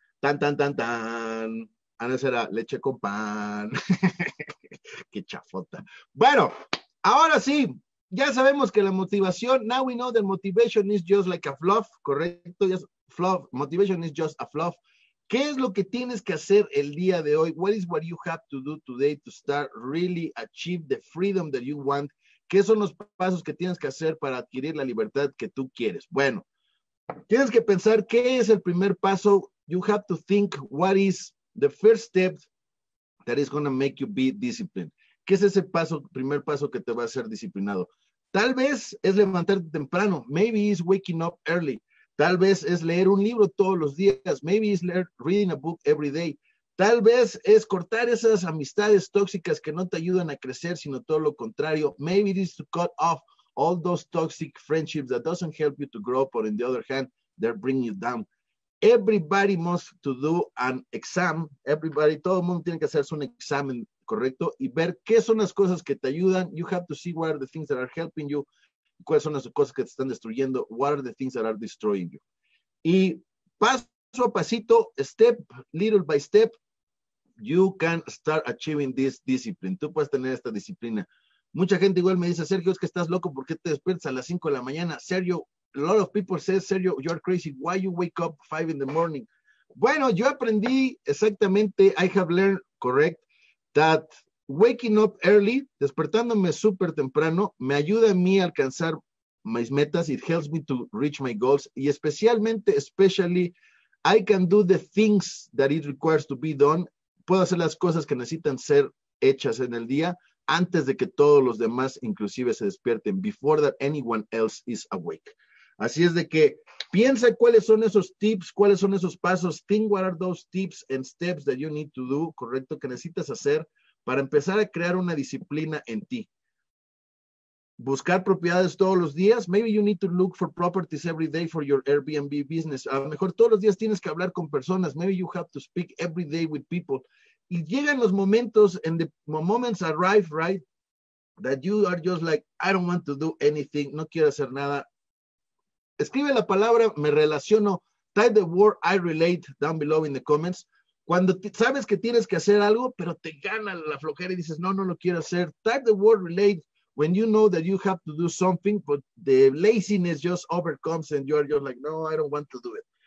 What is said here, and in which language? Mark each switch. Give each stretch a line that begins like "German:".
Spanish: Tan, tan, tan, tan. Ana será leche con pan. Qué chafota. Bueno, ahora sí, ya sabemos que la motivación,
English: now we know that motivation is just like a fluff, correcto, yes, fluff, motivation is just a fluff.
Spanish: ¿Qué es lo que tienes que hacer el día de hoy?
English: What is what you have to do today to start really achieve the freedom that you want?
Spanish: ¿Qué son los pasos que tienes que hacer para adquirir la libertad que tú quieres? Bueno, tienes que pensar qué es el primer paso.
English: You have to think what is the first step that is going to make you be disciplined.
Spanish: ¿Qué es ese paso, primer paso que te va a hacer disciplinado? Tal vez es levantarte temprano.
English: Maybe it's waking up early.
Spanish: Tal vez es leer un libro todos los días.
English: Maybe it's reading a book every day.
Spanish: Tal vez es cortar esas amistades tóxicas que no te ayudan a crecer, sino todo lo contrario.
English: Maybe it is to cut off all those toxic friendships that doesn't help you to grow, but on the other hand, they're bringing you down. Everybody must to do an exam.
Spanish: Everybody, todo el mundo tiene que hacerse un examen, correcto, y ver qué son las cosas que te ayudan.
English: You have to see what are the things that are helping you,
Spanish: cuáles son las cosas que te están destruyendo,
English: what are the things that are destroying you.
Spanish: Y paso a pasito,
English: step, little by step, you can start achieving this discipline.
Spanish: Tú puedes tener esta disciplina. Mucha gente igual me dice, Sergio, es que estás loco, ¿por qué te despiertas a las 5 de la mañana?
English: Sergio, a lot of people say, Sergio, you're crazy. Why you wake up 5 in the morning?
Spanish: Bueno, yo aprendí exactamente,
English: I have learned, correct, that waking up early,
Spanish: despertándome súper temprano, me ayuda a mí a alcanzar mis metas.
English: It helps me to reach my goals. Y especially, I can do the things that it requires to be done.
Spanish: Puedo hacer las cosas que necesitan ser hechas en el día antes de que todos los demás inclusive se despierten,
English: before that anyone else is awake.
Spanish: Así es de que piensa cuáles son esos tips, cuáles son esos pasos.
English: Think what are those tips and steps that you need to do, correcto,
Spanish: que necesitas hacer para empezar a crear una disciplina en ti. buscar propiedades todos los días.
English: Maybe you need to look for properties every day for your Airbnb business.
Spanish: A lo mejor todos los días tienes que hablar con personas.
English: Maybe you have to speak every day with people.
Spanish: Y llegan los momentos,
English: and the moments arrive, right? That you are just like, I don't want to do anything.
Spanish: No quiero hacer nada. Escribe la palabra, me relaciono.
English: Type the word I relate down below in the comments.
Spanish: Cuando sabes que tienes que hacer algo, pero te gana la flojera y dices, no, no lo quiero hacer.
English: Type the word relate when you know that you have to do something, but the laziness just overcomes and you are just like, no, I don't want to do it.